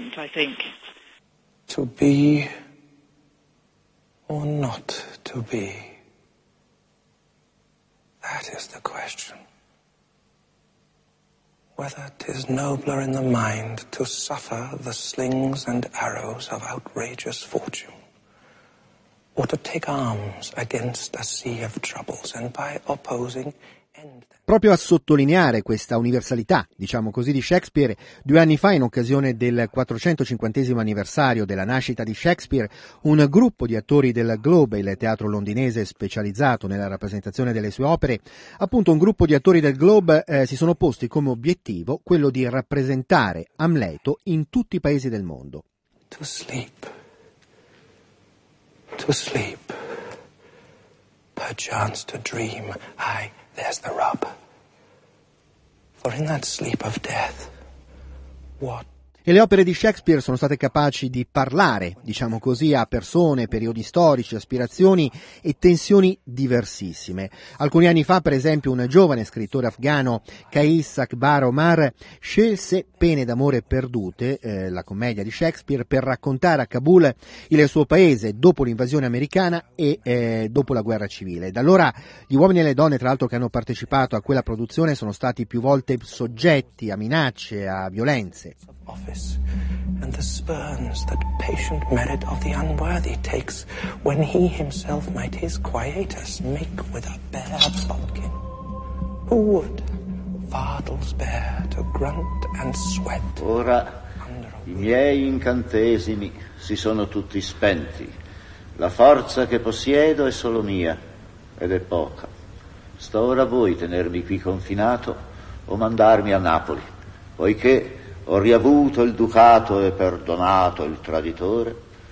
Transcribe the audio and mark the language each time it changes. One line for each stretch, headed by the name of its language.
English: To be or not to be, that is the question. Whether 'tis nobler in the mind to suffer the slings and arrows of outrageous fortune, or to take arms against a sea of troubles and by opposing.
Italian: Proprio a sottolineare questa universalità, diciamo così, di Shakespeare, due anni fa, in occasione del 450° anniversario della nascita di Shakespeare, un gruppo di attori del Globe, il teatro londinese specializzato nella rappresentazione delle sue opere, appunto un gruppo di attori del Globe, si sono posti come obiettivo quello di rappresentare Amleto in tutti i paesi del mondo.
English: To sleep. Perchance to dream. I. There's the rub. For in that sleep of death, what?
Italian: E le opere di Shakespeare sono state capaci di parlare, diciamo così, a persone, periodi storici, aspirazioni e tensioni diversissime. Alcuni anni fa, per esempio, un giovane scrittore afghano, Qais Akbar Omar, scelse Pene d'amore perdute, la commedia di Shakespeare, per raccontare a Kabul il suo paese dopo l'invasione americana e dopo la guerra civile. Da allora gli uomini e le donne, tra l'altro, che hanno partecipato a quella produzione sono stati più volte soggetti a minacce, a violenze.
English: And the spurns that patient merit of the unworthy takes when he himself might his quietus make with a bare bumpkin. Who would fardels bear to grunt and sweat?
Italian: Ora i miei incantesimi si sono tutti spenti. La forza che possiedo è solo mia ed è poca. Sto ora a voi tenermi qui confinato o mandarmi a Napoli, poiché ho riavuto il ducato e perdonato il traditore.